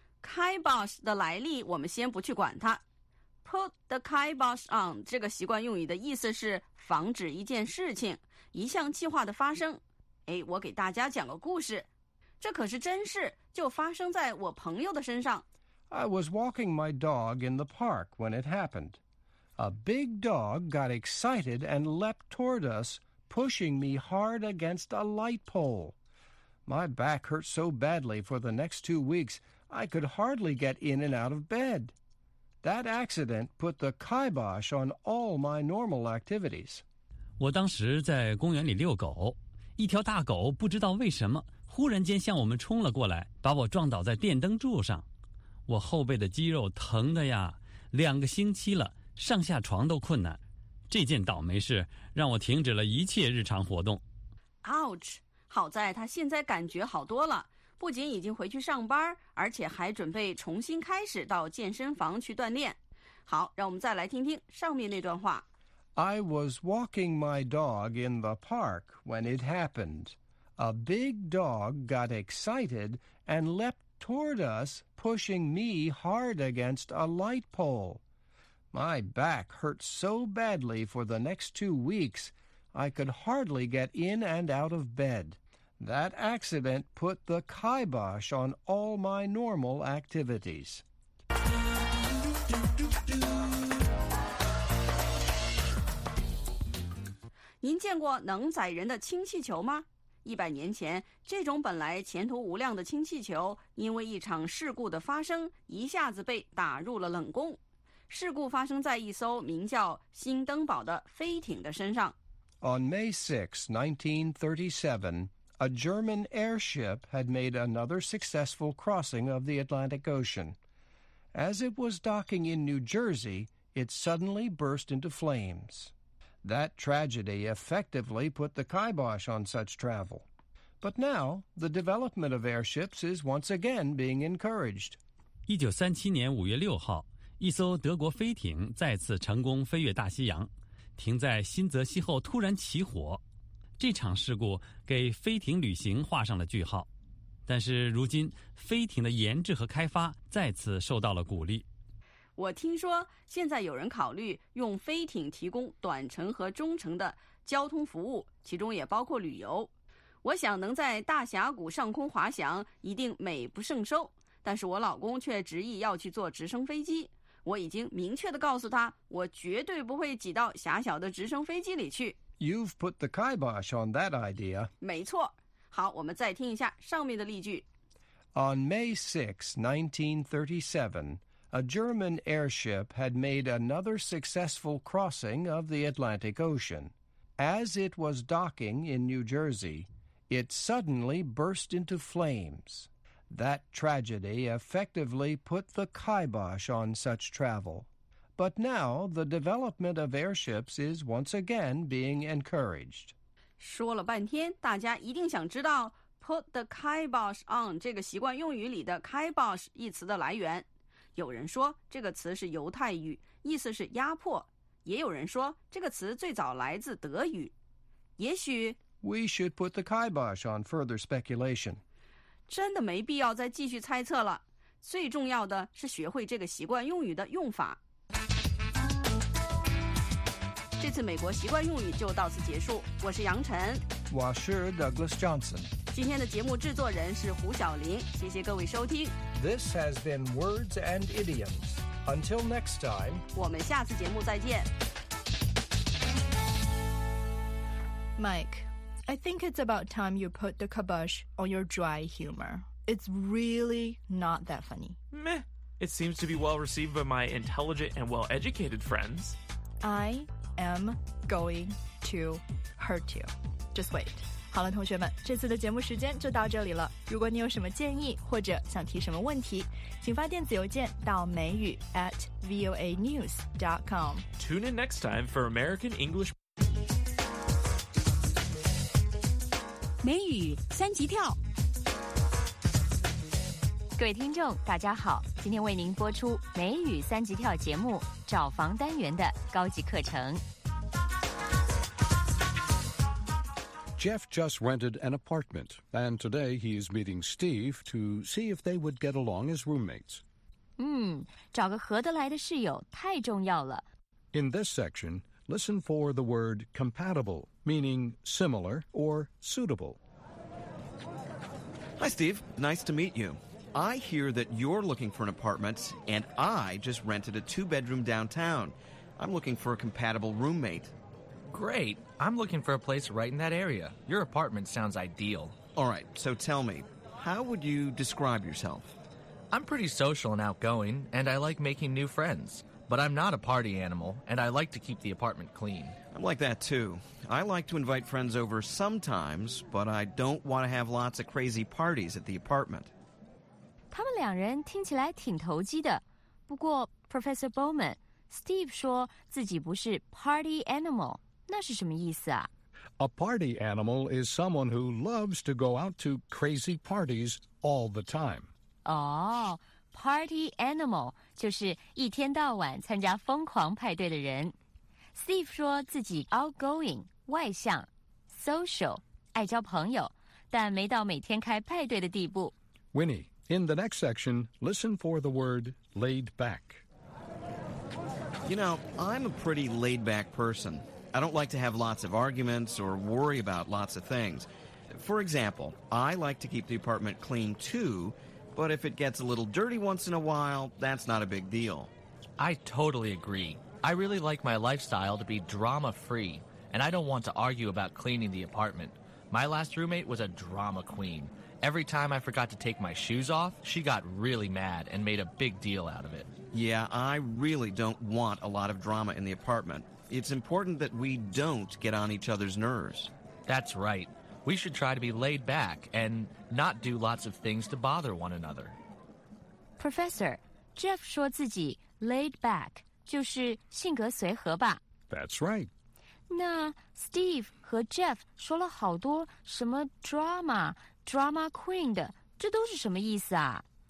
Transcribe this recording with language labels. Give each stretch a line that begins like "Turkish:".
Chinese: Kibosh 的来历我们先不去管它。
English: Put the kibosh on
Chinese: 这个习惯用语的意思是防止一件事情、一项计划的发生。哎，我给大家讲个故事，这可是真事，就发生在我朋友的身上。
English: I was walking my dog in the park when it happened. A big dog got excited and leapt toward us, pushing me hard against a light pole. My back hurt so badly for the next 2 weeks, I could hardly get in and out of bed. That accident put the kibosh on all my normal activities.
Chinese: 我当时在公园里遛狗，一条大狗不知道为什么忽然间向我们冲了过来，把我撞倒在电灯柱上。我后背的肌肉疼得呀，两个星期了，上下床都困难。这件倒霉事让我停止了一切日常活动。
English: Ouch！
Chinese: 好在他现在感觉好多了，不仅已经回去上班，而且还准备重新开始到健身房去锻炼。好，让我们再来听听上面那段话。
English: I was walking my dog in the park when it happened. A big dog got excited and leapt toward us, pushing me hard against a light pole. My back hurt so badly for the next 2 weeks, I could hardly get in and out of bed. That accident put the kibosh on all my normal activities.
Chinese: 您见过能载人的氢气球吗？100年前，这种本来前途无量的氢气球，因为一场事故的发生，一下子被打入了冷宫。事故发生在一艘名叫“新登堡”的飞艇的身上。
English: On May 6, 1937,A German airship had made another successful crossing of the Atlantic Ocean. As it was docking in New Jersey, it suddenly burst into flames. That tragedy effectively put the kibosh on such travel. But now, the development of airships is once again being encouraged.
Chinese: 1937年5月6号，一艘德国飞艇再次成功飞越大西洋，停在新泽西后突然起火。这场事故给飞艇旅行画上了句号，但是如今飞艇的研制和开发再次受到了鼓励。我听说现在有人考虑用飞艇提供短程和中程的交通服务，其中也包括旅游。我想能在大峡谷上空滑翔一定美不胜收，但是我老公却执意要去坐直升飞机。我已经明确地告诉他，我绝对不会挤到狭小的直升飞机里去。
English: You've put the kibosh on that idea.
Chinese: 没错。好，我们再听一下上面的例句。
English: On May 6, 1937, a German airship had made another successful crossing of the Atlantic Ocean. As it was docking in New Jersey, it suddenly burst into flames. That tragedy effectively put the kibosh on such travel. But now, the development of airships is once again being encouraged.
Chinese: 说了半天，大家一定想知道
English: put the kibosh on
Chinese: 这个习惯用语里的 kibosh 一词的来源。有人说这个词是犹太语，意思是压迫。也有人说这个词最早来自德语。也许
English: We should put the kibosh on further speculation.
Chinese: 真的没必要再继续猜测了。最重要的是学会这个习惯用语的用法。这次美国习惯用语就到此结束，我是杨晨，我是 Douglas Johnson，今天的节目制作人是胡晓林，谢谢各位收听。
English: This has been Words and Idioms. Until next time，
Chinese: 我们下次节目再见。
English: Mike， I think it's about time you put the kibosh on your dry humor. It's really not that funny. Meh, it seems to be well received by my intelligent and well-educated friends. I'm going to hurt you. Just wait.
Chinese: 好了，同学们，这次的节目时间就到这里了。如果你有什么建议或者想提什么问题，请发电子邮件到美语 @voanews.com.
English: Tune in next time for American English.
Chinese: 美语三级跳。各位听众大家好，今天为您播出美语三级跳节目找房单元的高级课程。
English: Jeff just rented an apartment, and today he is meeting Steve to see if they would get along as roommates.
Chinese: 找个合得来的室友太重要了。
English: In this section, listen for the word compatible, meaning similar or suitable. Hi, Steve. Nice to meet you. I hear that you're looking for an apartment, and I just rented a two-bedroom downtown. I'm looking for a compatible roommate. Great. I'm looking for a place right in that area. Your apartment sounds ideal. All right, so tell me, how would you describe yourself? I'm pretty social and outgoing, and I like making new friends. But I'm not a party animal, and I like to keep the apartment clean. I'm like that, too. I like to invite friends over sometimes, but I don't want to have lots of crazy parties at the apartment.
Chinese: 他们两人听起来挺投机的。不过 Professor Bowman, Steve 说自己不是 party animal. 那是什么意思啊?
English: A party animal is someone who loves to go out to crazy parties all the time.
Chinese: Oh, party animal 就是一天到晚参加疯狂派对的人。 Steve 说自己 outgoing, 外向, social, 爱交朋友,但没到每天开派对的地步。
English: Winnie, in the next section, listen for the word laid back. You know, I'm a pretty laid-back person. I don't like to have lots of arguments or worry about lots of things. For example, I like to keep the apartment clean too, but if it gets a little dirty once in a while, that's not a big deal. I totally agree. I really like my lifestyle to be drama-free, and I don't want to argue about cleaning the apartment. My last roommate was a drama queen. Every time I forgot to take my shoes off, she got really mad and made a big deal out of it. Yeah, I really don't want a lot of drama in the apartment. It's important that we don't get on each other's nerves. That's right. We should try to be laid back and not do lots of things to bother one another.
Chinese: Professor, Jeff 说自己 laid back 就是性格随和吧。
English: That's right.
Chinese: 那 Steve 和 Jeff 说了好多什么 drama, drama queen 的，这都是什么意思啊?